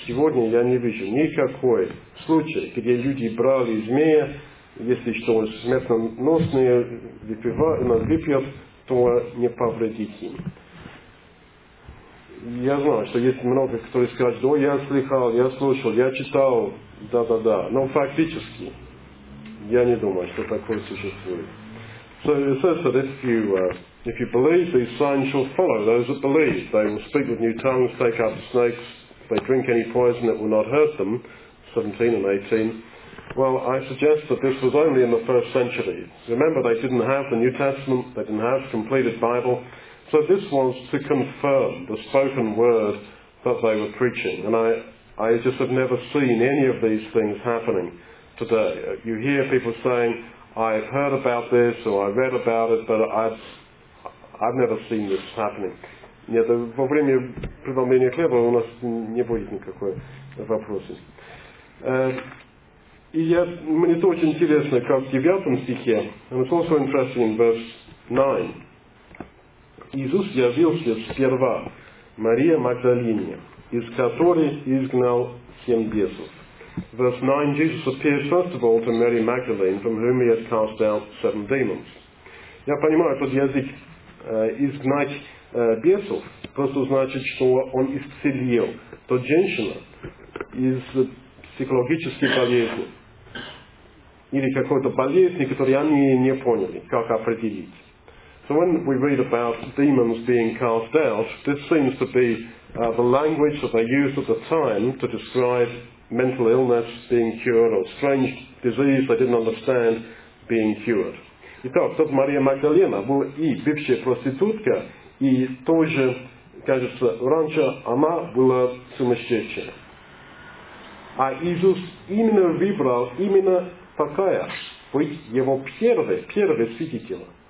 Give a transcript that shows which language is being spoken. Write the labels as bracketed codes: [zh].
[ru] Сегодня я не вижу никакой случая, где люди брали змея, если что, смертоносные выпьют, то не повредить им. Я знаю, что есть много, которые скажут, ой, я слыхал, я слушал, я читал, да-да-да. Но фактически, я не думаю, что такое существует. [en] So it says that if you believe, these signs shall follow those that believe. They will speak with new tongues, take up snakes. If they drink any poison, it will not hurt them. 17 and 18. Well, I suggest that this was only in the first century. Remember, they didn't have the New Testament. They didn't have the completed Bible. So this was to confirm the spoken word that they were preaching. And I just have never seen any of these things happening today. You hear people saying, I've heard about this, or I read about it, but I've never seen this happening. [ru] Нет, во время прибавления хлеба у нас не будет никакой вопроса. Мне это очень интересно, как в 9 стихе, [en] and it's also interesting in verse 9. [ru] Иисус явился сперва Мария Магдалине, из которой изгнал 7 бесов. [en] Verse 9, Jesus appeared first of all to Mary Magdalene, from whom he had cast out 7 demons. [ru] Я понимаю, этот язык изгнать бесов просто значит, что он исцелил ту женщину из психологической болезни или какой-то болезни, которую они не поняли, как определить. [en] So when we read about demons being cast out, this seems to be the language that they used at the time to describe mental illness being cured or strange disease they didn't understand being cured. [ru] Итак, тут Мария Магдалина была и бывшая проститутка, и тоже, кажется, раньше она была сумасшедшая. А Иисус именно выбрал именно такая, быть его первой свидетелем.